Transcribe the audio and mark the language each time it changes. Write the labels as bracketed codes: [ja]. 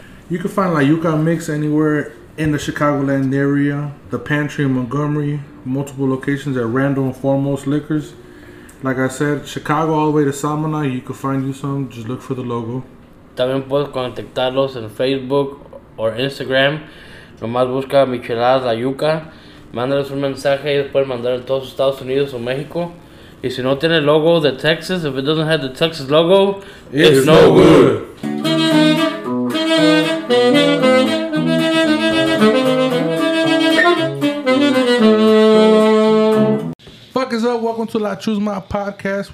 [en] You can find La Yuca Mix anywhere in the Chicagoland area, the Pantry in Montgomery, multiple locations at Randall and Foremost Liquors. Like I said, Chicago all the way to Salmona, you can find you some, just look for the logo. [es] También puedes contactarlos en Facebook o Instagram. Nomás busca Michelada La Yuca, mándales un mensaje y después mandar a todos Estados Unidos o México. Y si no tiene el logo de Texas, [en] if it doesn't have the Texas logo, it's no good. Fuck is up, welcome to La Chusma Podcast.